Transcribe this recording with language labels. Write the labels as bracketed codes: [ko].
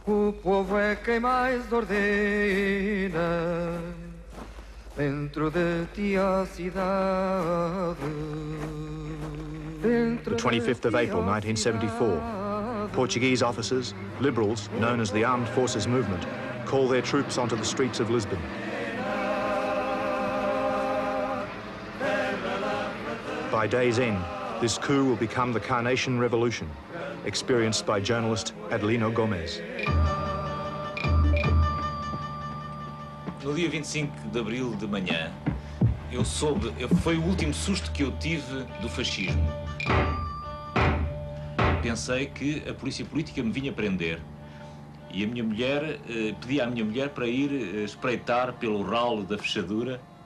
[pt] O povo é quem mais ordena dentro de ti a cidade. [en] The 25th of April, 1974. Portuguese officers, liberals, known as the Armed Forces Movement, call their troops onto the streets of Lisbon. By day's end, this coup will become the Carnation Revolution, experienced by journalist Adelino Gomes. [pt] No dia 25 de abril de manhã, eu soube, foi o último susto que eu tive do fascismo. Pensei que a polícia política me vinha prender e a minha mulher, pedi à minha mulher para ir espreitar pelo ralo da fechadura.